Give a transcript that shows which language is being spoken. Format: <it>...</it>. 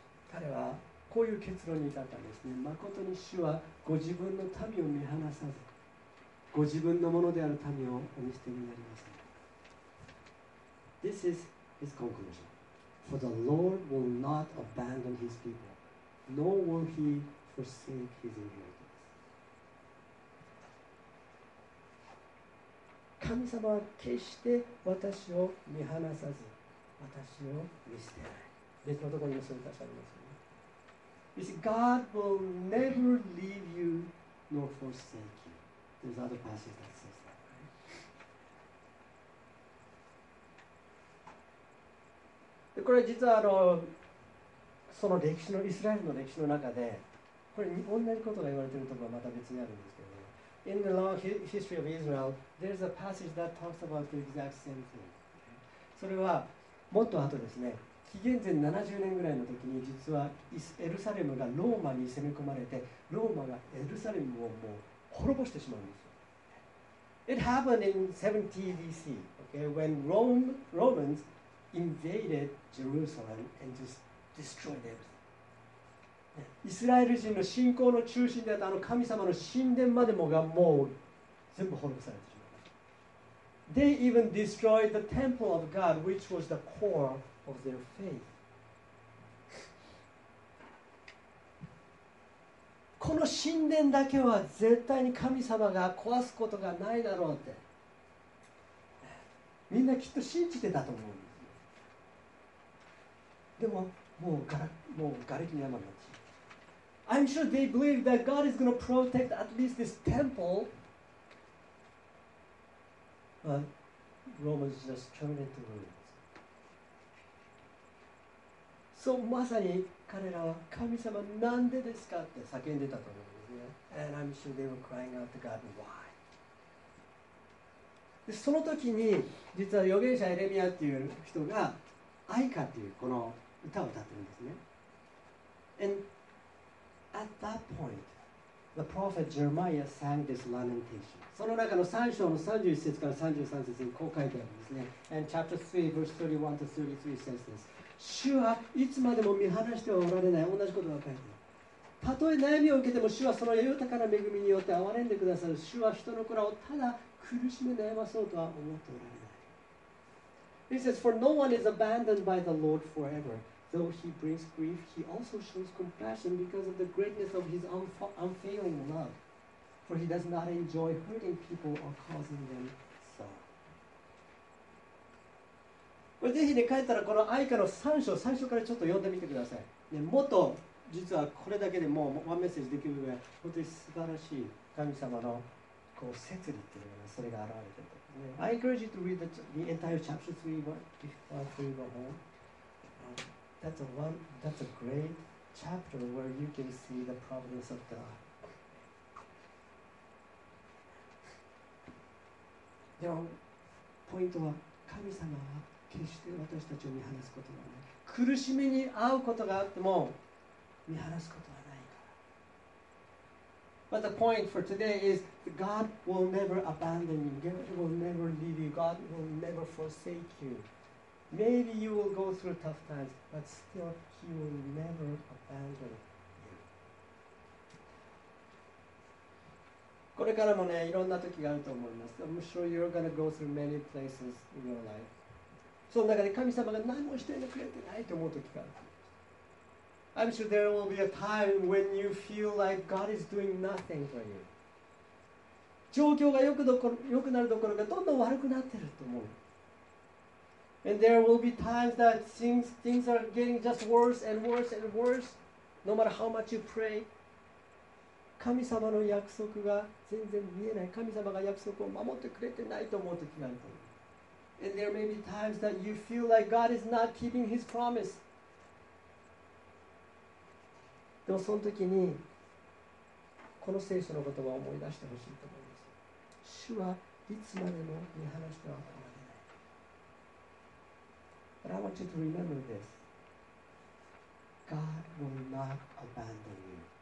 <ja>彼はこういう結論に至ったんですね。まことに主はご自分の民を見放さず、ご自分のものである民をお見捨てになりません。</ja> <en>This is his conclusion. For the Lord will not abandon his people, nor will he forsake his inheritance.</en> <ja>神様は決して私を見放さず、私を見捨てない。別のところにもそういう歌詞ありますよね。</ja> <en>You see, God will never leave you nor forsake you. There's other passages that says that, right?</en> <ja>でこれ実はその歴史の、イスラエルの歴史の中で、これ同じことが言われているところはまた別にあるんですけどね。</ja> <en>In the long history of Israel, there's a passage that talks about the exact same thing.</en> <ja>それはもっと後ですね、紀元前70年ぐらいの時に実はエルサレムがローマに攻め込まれて、ローマがエルサレムをもう滅ぼしてしまうんですよ。</ja> <en>It happened in 70 BC, okay, when Romans invaded Jerusalem and just destroyed everything.</en> <ja>イスラエル人の信仰の中心であったあの神様の神殿までもがもう全部滅ぼされてしまう。 They even destroyed the temple of God, which was the core of their faith. この神殿だけは絶対に神様が壊すことがないだろうって。みんなきっと信じてたと思うんですよ。でも、もうがれきの山になっちゃう。</ja> <en>I'm sure they believe that God is going to protect at least this temple. Romans just turned into ruins.</en> <ja>So, まさに彼らは神様なんでですかって叫んでたと思うんですね。</ja> <en>And I'm sure they were crying out to God, why?</en> <ja>で、その時に実は預言者エレミアっていう人が愛歌っていうこの歌を歌ってるんですね。</ja> <en>And at that point,The prophet Jeremiah sang this lamentation.</en> <ja>その中の3章の31節から33節にこう書いてあるんですね。</ja> <en>And chapter 3, verse 31 to 33 says this.</en> <ja>主はいつまでも見放してはおられない。同じことが書いてある。たとえ悩みを受けても主はその豊かな恵みによって憐れんでくださる。主は人の子らをただ苦しめ悩まそうとは思っておられない。</ja> <en>He says, For no one is abandoned by the Lord forever. Though he brings grief, he also shows compassion because of the greatness of his unfailing love. For he does not enjoy hurting people or causing them sorrow.</en> <ja>これぜひね、帰ったらこの愛歌の3章、最初からちょっと読んでみてください。ね、もっと実はこれだけでもうワンメッセージできるぐらい、本当に素晴らしい神様のこう摂理っていうのが、それが現れてる。</ja> <en>I encourage you to read the entire chapter 3 before you go home. That's a great chapter where you can see the providence of God.</en> <ja>でもポイントは神様は決して私たちを見放すことはない。苦しみに遭うことがあっても見放すことはないから。</ja> <en>But the point for today is God will never abandon you. God will never leave you. God will never forsake you. Maybe you will go through tough times, but still He will never abandon you.</en> <ja>これからもね、いろんな時があると思います。</ja> <en>I'm sure you're gonna go through many places in your life.</en> <ja>その中で神様が何もしてくれてないと思う時がある。</ja> <en>I'm sure there will be a time when you feel like God is doing nothing for you.</en> <ja>状況が良くなるどころがどんどん悪くなってると思う。</ja> <en>And there will be times that things are getting just worse and worse and worse, no matter how much you pray.</en> <ja>神様の約束が全然見えない。神様が約束を守ってくれてないと思う時があると思う。</ja> <en>And there may be times that you feel like God is not keeping His promise.</en> <ja>でもその時にこの聖書の言葉を思い出してほしいと思います。主はいつまでも見放してはおられない。</ja> <en>But I want you to remember this. God will not abandon you.</en>